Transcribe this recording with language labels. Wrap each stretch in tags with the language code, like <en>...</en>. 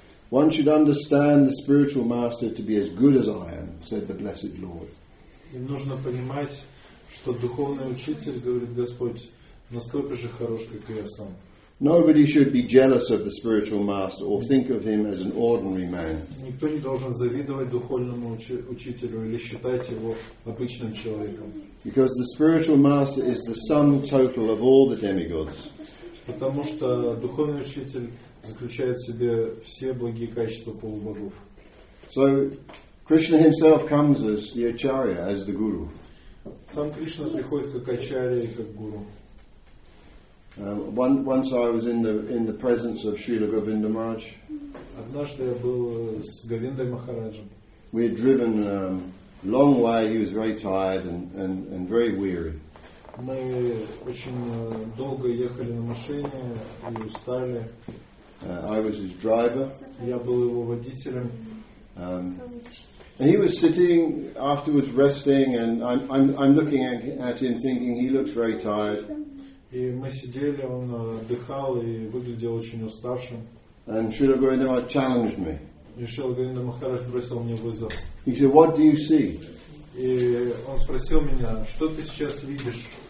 <en>One should understand the spiritual master to be as good as I am, said the Blessed Lord.</en> <ru>Им нужно понимать, что духовный учитель, говорит Господь, настолько же хорош, как и я сам.</ru> <en>Nobody should be jealous of the spiritual master or think of him as an ordinary man.</en> <ru>Никто не должен завидовать духовному учителю или считать его обычным человеком.</ru> <en>Because the spiritual master is the sum total of all the demigods.</en> <ru>Потому что духовный учитель заключает в себе все благие качества полубогов.</ru> <en>So, Krishna himself comes as the Acharya, as the Guru.</en> <ru>Сам Кришна приходит как Ачарья и как Гуру.</ru> <en>Once I was in the presence of Srila Govinda Maharaj.</en> <ru>Однажды я был с Говиндой Махараджем.</ru> <en>We had driven a long way, he was very tired and very weary.</en> <ru>Мы очень долго ехали на машине и устали.</ru> <en>I was his driver.</en> <ru>Я был его водителем.</ru> <en>And he was sitting afterwards resting, and I'm looking at him, thinking he looks very tired.</en> <ru>И мы сидели, он отдыхал и выглядел очень уставшим.</ru> <en>And Srila Govinda Maharaj challenged me.</en> <ru>И Srila Govinda Maharaj бросил мне вызов.</ru> <en>He said, "What do you see?"</en> <ru>И он спросил меня, что ты сейчас видишь?</ru>